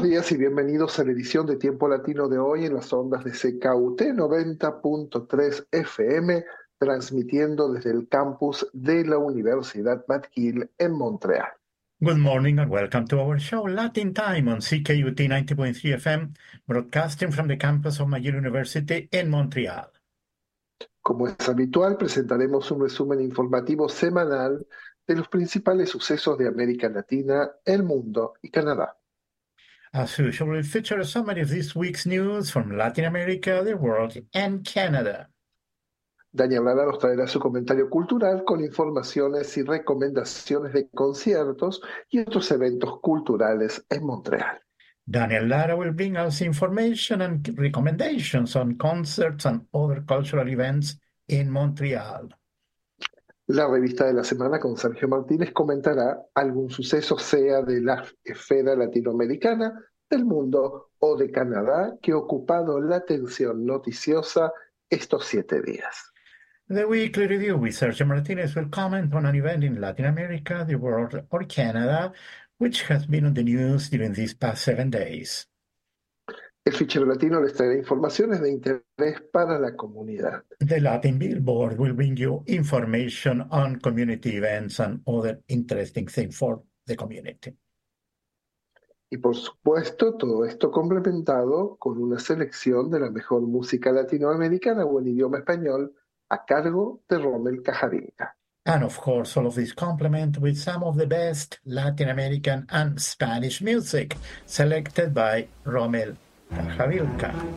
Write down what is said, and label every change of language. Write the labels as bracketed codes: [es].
[es] Y bienvenidos a la edición de Tiempo Latino de hoy en las ondas de CKUT 90.3 FM, transmitiendo desde el campus de la Universidad McGill en Montreal. [en] Good morning and welcome to our show Latin Time on CKUT 90.3 FM, broadcasting from the campus of McGill University in Montreal. [es] Como es habitual, presentaremos un resumen informativo semanal de los principales sucesos de América Latina, el mundo y Canadá. [en] As usual, we'll feature a summary of this week's news from Latin America, the world, and Canada. [es] Daniel Lara nos traerá su comentario cultural con informaciones y recomendaciones de conciertos y otros eventos culturales en Montreal. [en] Daniel Lara will bring us information and recommendations on concerts and other cultural events in Montreal. [es] La revista de la semana con Sergio Martínez comentará algún suceso, sea de la esfera latinoamericana, del mundo o de Canadá, que ha ocupado la atención noticiosa estos 7 días. [en] The Weekly Review with Sergio Martínez will comment on an event in Latin America, the world or Canada, which has been on the news during these past 7 days. [es] El fichero latino les traerá informaciones de interés para la comunidad. [en] The Latin Billboard will bring you information on community events and other interesting things for the community. [es] Y por supuesto, todo esto complementado con una selección de la mejor música latinoamericana o en idioma español a cargo de Rommel Cajarinca. [en] And of course, all of this complement with some of the best Latin American and Spanish music selected by Rommel Cajarinca.